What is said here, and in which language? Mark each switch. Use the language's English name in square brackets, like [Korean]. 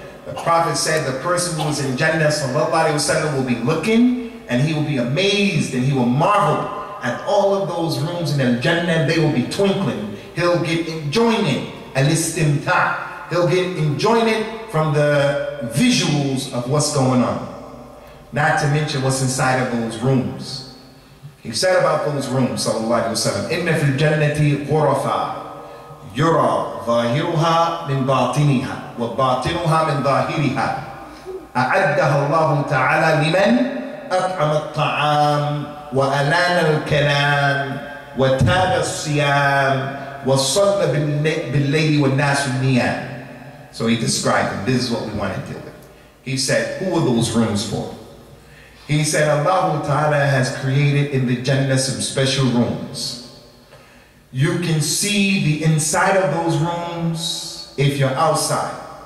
[English] The Prophet said the person who is in Jannah sallallahu alayhi wa sallam will be looking and he will be amazed and he will marvel at all of those rooms in the Jannah. They will be twinkling. He'll get enjoyment, al-istimta'. He'll get enjoyment from the visuals of what's going on. Not to mention what's inside of those rooms. He said about those rooms, sallallahu alayhi wa sallam, [Arabic] إِنَّ فِي الْجَنَّةِ غُرَفَا يُرَى ظَاهِرُهَا مِنْ بَاطِنِهَا وَبَاطِنُهَا مِنْ ظَاهِرِهَا أَعَدَّهَا اللَّهُ تَعَالَى لِمَنْ أَطْعَمَ الطَّعَامِ وَأَلَانَ الْكَلَامِ وَتَابَ الصِّيَامِ وَصَلَّ بِاللَّيْلِ وَالنَّاسُ النِّيَامِ. [English] So he described them. This is what we want to deal with. He said, who are those rooms for? He said, Allah Ta'ala has created in the Jannah some special rooms. You can see the inside of those rooms if you're outside.